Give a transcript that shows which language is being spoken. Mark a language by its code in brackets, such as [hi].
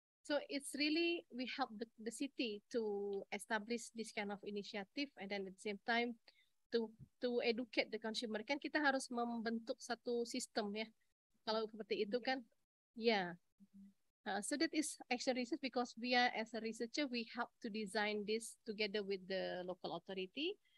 [en] So it's really we help the city to establish this kind of initiative, and then at the same time to educate the consumer. [id] Kan kita harus membentuk satu sistem ya. Kalau seperti itu kan, ya. Yeah. [en] So that is action research, because we are as a researcher, we help to design this together with the local authority.